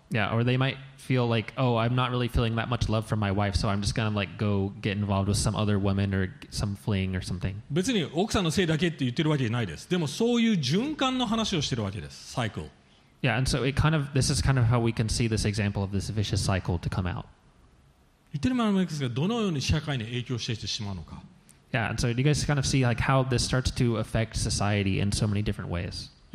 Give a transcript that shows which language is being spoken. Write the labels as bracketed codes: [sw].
[en] Yeah, or they might feel like, oh, I'm not really feeling that much love from my wife, so I'm just gonna like go get involved with some other woman or some fling or something. [ja] 別に奥さんのせいだけって言ってるわけじゃないです。でもそういう循環の話をしてるわけです。Cycle. [en] Yeah, and so it kind of, this is kind of how we can see this example of this vicious cycle to come out. [ja] 言ってるまま、どのように社会に影響してしまうのか。 [en] Yeah, and so you guys kind of see like how this starts to affect society in so many different ways.